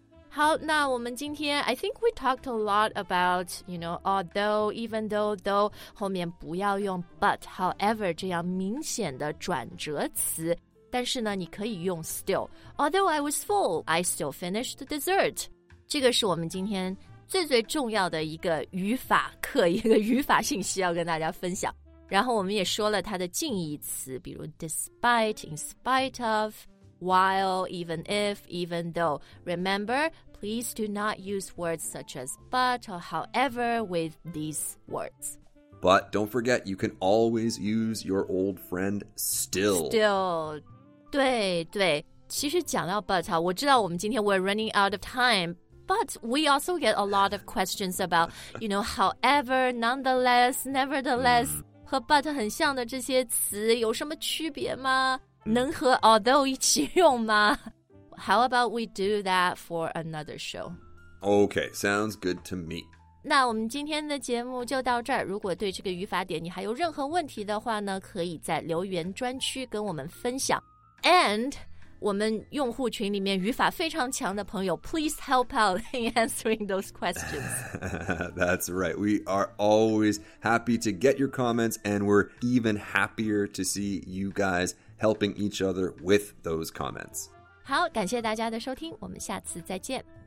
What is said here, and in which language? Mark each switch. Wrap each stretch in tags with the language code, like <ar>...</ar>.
<zh>好，那我们今天</zh> <en>I think we talked a lot about, you know, although, even though, though,</en> <zh>后面不要用</zh> <en>but, however,</en> <zh>这样明显的转折词。但是呢，你可以用 still.</zh> <en>Although I was full, I still finished the dessert.</en> <zh>这个是我们今天最最重要的一个语法课，一个语法信息要跟大家分享。然后我们也说了它的近义词，比如 despite, in spite of,While, even if, even though.</zh> <en>Remember, please do not use words such as but or however with these words. But don't forget, you can always use your old friend still. Still.</en> <zh>对对其实讲到</zh> <en>but,</en> <zh>我知道我们今天</zh> <en>we're running out of time, but we also get a lot of questions about, you know, however, nonetheless, nevertheless,</en> <zh>和 but 很像的这些词有什么区别吗能和</zh> <en>although</en> <zh>一起用吗?</zh> <en>How about we do that for another show? Okay, sounds good to me.</en> <zh>那我们今天的节目就到这儿。如果对这个语法点你还有任何问题的话呢，可以在留言专区跟我们分享。 And 我们用户群里面语法非常强的朋友</zh> <en>please help out in answering those questions. That's right. We are always happy to get your comments and we're even happier to see you guys. Helping each other with those comments.</en> <zh>好，感谢大家的收听，我们下次再见。</zh>